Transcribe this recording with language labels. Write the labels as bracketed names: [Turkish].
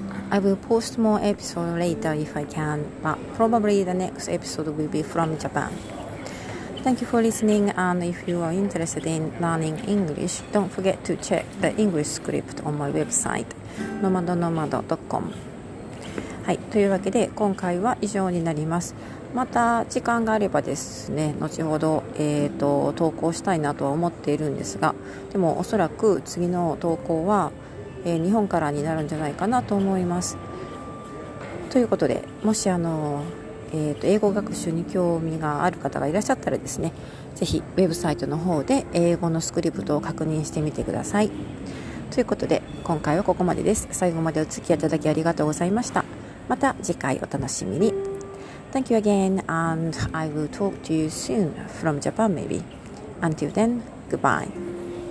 [English] I will post more episodes later if I can, but probably the next episode will be from Japan. Thank you for listening, and if you are interested in learning English, don't forget to check the English script on my website, nomadonomado.com. [Japanese] はい、というわけで今回は以上になります。また時間があればですね、後ほど、投稿したいなとは思っているんですが、でもおそらく次の投稿は日本からになるんじゃないかなと思います。ということで、もし英語学習に興味がある方がいらっしゃったらですね、ぜひウェブサイトの方で英語のスクリプトを確認してみてください。ということで今回はここまでです。最後までお付き合いいただきありがとうございました。また次回お楽しみに。 [English] Thank you again and I will talk to you soon from Japan maybe. Until then, goodbye.